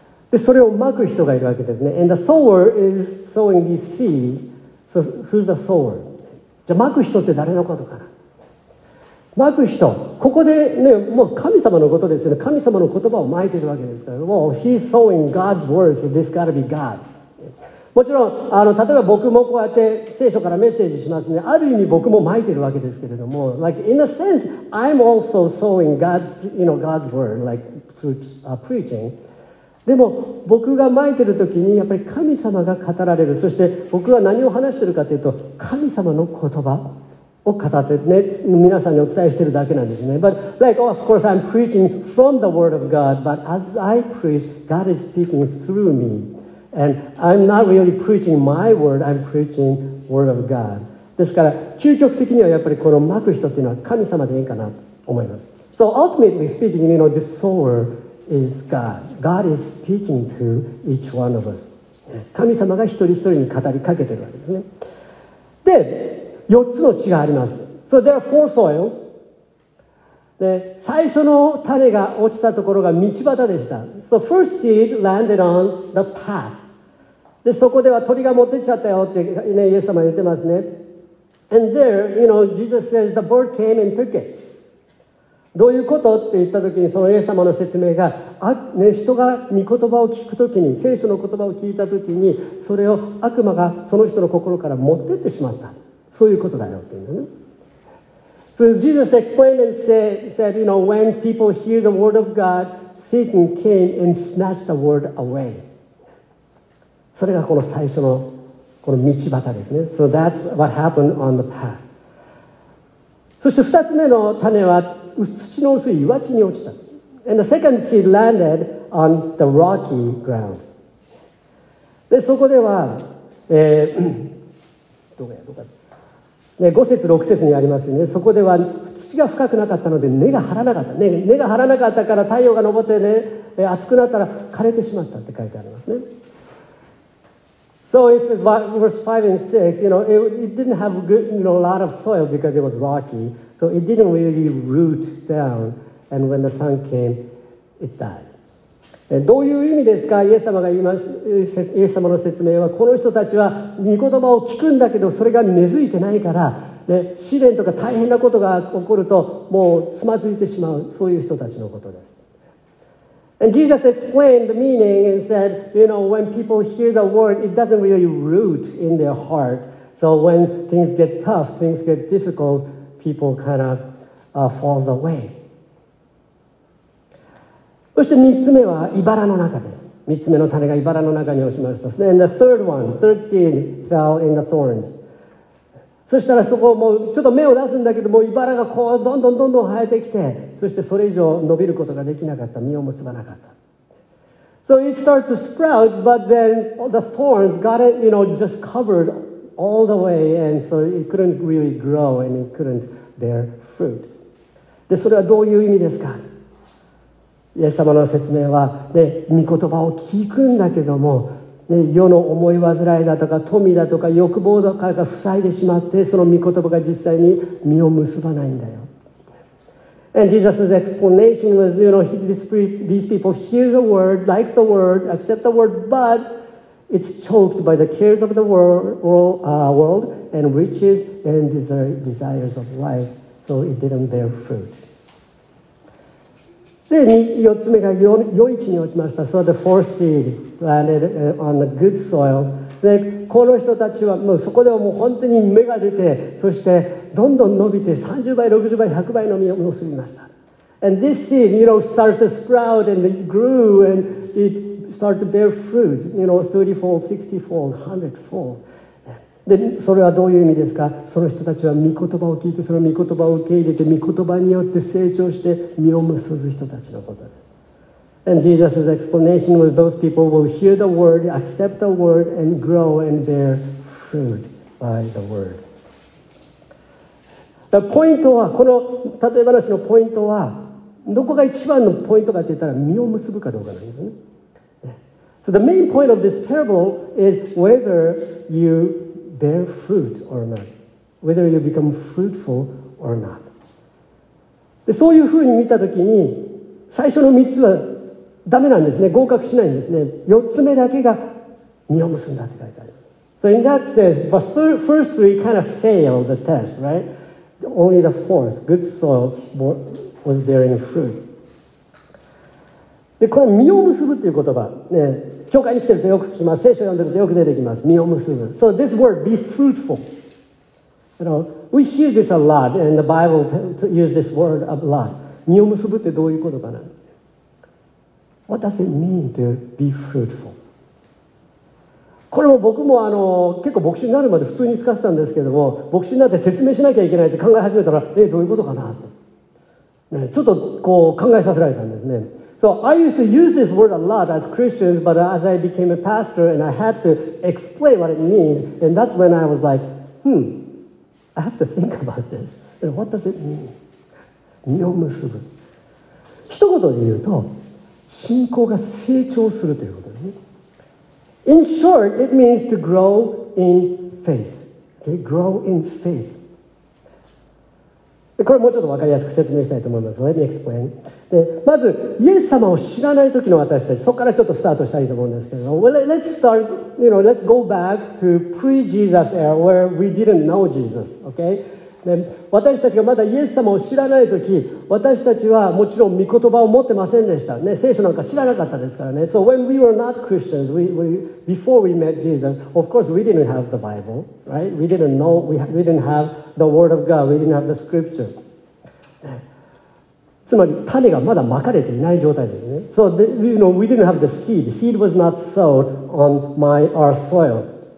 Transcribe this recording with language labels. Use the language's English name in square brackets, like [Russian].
[Japanese] で、それをまく人がいるわけですね。 [English] And the sower is sowing these seeds. So who's the sower? [Japanese] じゃあ、まく人って誰のことかな。まく人。ここでね、もう神様のことですよね。神様の言葉をまいてるわけですから。 [English] Well, he's sowing God's words, so this gotta be God. [Japanese] もちろん、例えば僕もこうやって聖書からメッセージしますね。ある意味僕もまいてるわけですけれども。 [English] Like, in a sense, I'm also sowing God's, you know, God's word, like, through, preaching. [Japanese] でも僕が撒いてる時にやっぱり神様が語られる。そして僕は何を話してるかというと神様の言葉を語ってね、皆さんにお伝えしてるだけなんですね。 [English] But like, oh, of course I'm preaching from the word of God, but as I preach, God is speaking through me. And I'm not really preaching my word, I'm preaching word of God. [Japanese] ですから究極的にはやっぱりこの撒く人っていうのは神様でいいかな。思います。 [English] So ultimately speaking, you know, the sower is God. God is speaking to each one of us. [Japanese] 神様が一人一人に語りかけてるわけですね。で、四つの地があります。 [English] So there are four soils. [Japanese] で、最初の種が落ちたところが道端でした。 [English] So first seed landed on the path. [Japanese] で、そこでは鳥が持ってっちゃったよってね、イエス様言ってますね。 [English] And there, you know, Jesus says the bird came and took it. [Japanese] どういうことって言ったときに、そのイエス様の説明が、あ、ね、人が御言葉を聞くときに、聖書の言葉を聞いたときに、それを悪魔がその人の心から持ってってしまった。そういうことだよっていうのね。 [English] So Jesus explained and said, you know, when people hear the word of God, Satan came and snatched the word away. [Japanese] それがこの最初のこの道端ですね。 [English] So that's what happened on the path. [Japanese] そして二つ目の種は、土の薄い岩地に落ちた。 [English] And the second seed landed on the rocky ground. [Japanese] で、そこでは、5節、6節にありますね。そこでは土が深くなかったので根が張らなかった。根が張らなかったから太陽が昇ってね、暑くなったら枯れてしまったって書いてありますね。 [English] So it says verse 5 and 6, you know, it didn't have good, you know, a lot of soil because it was rocky. So it didn't really root down, and when the sun came, it died. [Japanese] どういう意味ですか？イエス様が言います。イエス様の説明は、この人たちは御言葉を聞くんだけど、それが根付いてないから、ね、試練とか大変なことが起こると、もうつまずいてしまう、そういう人たちのことです。 [English] And Jesus explained the meaning and said, you know, when people hear the word, it doesn't really root in their heart. So when things get tough, things get difficult,People kind of、falls away. [Japanese] そして三つ目は茨の中です。三つ目の種が茨の中に落ちました。 [English] And the third one, third seed fell in the thorns. [Japanese] そしたらそこをもうちょっと芽を出すんだけど、もう茨がこうどんどんどんどん生えてきて、そしてそれ以上伸びることができなかった、実を結ばなかった。 [English] So it starts to sprout, but then the thorns got it, you know, just covered. All the way, and so it couldn't really grow, and it couldn't bear fruit. [Japanese] で、それはどういう意味ですか？イエス様の説明は、ね、御言葉を聞くんだけども、ね、世の思い煩いだとか、富だとか、欲望だとかが塞いでしまって、その御言葉が実際に実を結ばないんだよ。 [English] And Jesus' explanation was, you know, these people hear the word, like the word, accept the word, but... It's choked by the cares of the world and riches and desires of life, so it didn't bear fruit. [Japanese] で、4つ目が良い地に落ちました。 [English] So the fourth seed landed on the good soil. [Japanese] で、この人たちはもうそこではもう本当に芽が出て、そしてどんどん伸びて30倍、60倍、100倍の実を結びました。 [English] And this seed, you know, started to sprout and it grew and itstart to bear fruit, you know, 30-fold, 60-fold, 100-fold. [Japanese] で、それはどういう意味ですか？その人たちは御言葉を聞いて、その御言葉を受け入れて、御言葉によって成長して、実を結ぶ人たちのことです。 [English] And Jesus' explanation was those people will hear the word, accept the word, and grow and bear fruit by the word. The point [Japanese] は、この例え話のポイントは、どこが一番のポイントかって言ったら、実を結ぶかどうかなんですね。 [English] So the main point of this parable is whether you bear fruit or not. Whether you become fruitful or not. [Japanese] で、そういうふうに見たときに、最初の3つはダメなんですね。合格しないんですね。 4つ目だけが実を結んだって書いてある。 [English] So in that sense, the first three kind of failed the test, right? Only the fourth, good soil, was bearing fruit. [Japanese] でこの実を結ぶという言葉、ね、教会に来てるとよく聞きます。聖書を読んでるとよく出てきます。実を結ぶ。 [English] So this word, be fruitful. You know, we hear this a lot, and the Bible uses this word a lot. [Japanese] 実を結ぶってどういう言葉なの？ [English] What does it mean to be fruitful? [Japanese] これも僕も結構牧師になるまで普通に使ってたんですけども、牧師になって説明しなきゃいけないって考え始めたら、どういうことかなと、ね。ちょっとこう考えさせられたんですね。 [English] So I used to use this word a lot as Christians, but as I became a pastor and I had to explain what it means, and that's when I was like, I have to think about this. What does it mean? [Japanese] 実を結ぶ。一言で言うと、信仰が成長するということですね。 [English] In short, it means to grow in faith. Okay? Grow in faith. [Japanese] これもうちょっとわかりやすく説明したいと思います。 [English] Let me explain. [Japanese] で、まず、イエス様を知らない時の私たち、そこからちょっとスタートしたいと思うんですけど、 [English] well, let's start, you know, let's go back to pre-Jesus era where we didn't know Jesus, okay? [Japanese] で、私たちがまだイエス様を知らない時、私たちはもちろん御言葉を持ってませんでした。ね、聖書なんか知らなかったですからね。 [English] So when we were not Christians, we before we met Jesus, of course we didn't have the Bible, right? We didn't know, we didn't have the Word of God, we didn't have the Scripture. [Japanese] つまり種がまだまかれていない状態ですね。 [English] So the, you know, we didn't have the seed. The seed was not sown on my, our soil.